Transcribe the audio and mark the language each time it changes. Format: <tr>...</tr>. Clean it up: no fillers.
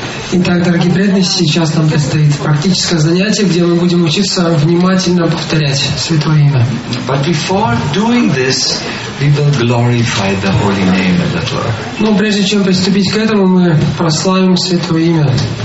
<ru>Итак, дорогие преданные, сейчас нам предстоит практическое занятие, где мы будем учиться внимательно повторять Святое Имя.</ru> <en>But before doing this, we will glorify the Holy Name a little.</en> <ru>Но прежде чем приступить к этому, мы прославим Святое Имя.</ru>